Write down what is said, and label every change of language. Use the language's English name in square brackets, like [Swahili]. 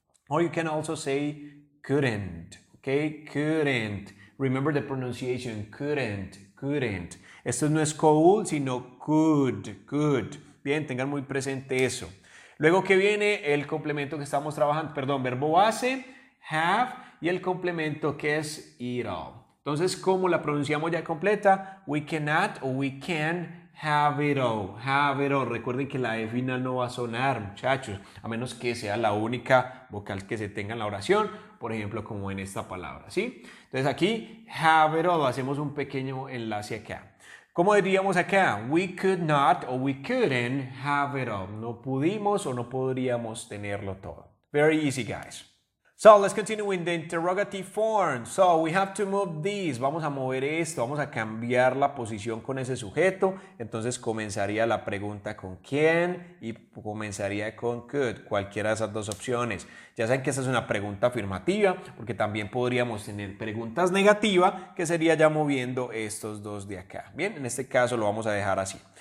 [English] Or you can also say couldn't. ¿Ok? Couldn't. Remember the pronunciation, couldn't, couldn't. [Spanish] Esto no es could, sino could, could. Bien, tengan muy presente eso. Luego que viene el complemento que estamos trabajando, perdón, verbo base, have, y el complemento que es it all. Entonces, ¿cómo la pronunciamos ya completa? [English] We cannot o we can have it all. Have it all. [Spanish] Recuerden que la E final no va a sonar, muchachos, a menos que sea la única vocal que se tenga en la oración, por ejemplo, como en esta palabra, ¿sí? Entonces aquí, [English] have it all, [Spanish] hacemos un pequeño enlace acá. ¿Cómo diríamos acá? [English] We could not or we couldn't have it all. [Spanish] No pudimos o no podríamos tenerlo todo. [English] Very easy, guys. So, let's continue with the interrogative form. So, we have to move this. [Spanish] Vamos a mover esto. Vamos a cambiar la posición con ese sujeto. Entonces, comenzaría la pregunta con quién y comenzaría con could. Cualquiera de esas dos opciones. Ya saben que esa es una pregunta afirmativa, porque también podríamos tener preguntas negativas, que sería ya moviendo estos dos de acá. Bien, en este caso lo vamos a dejar así.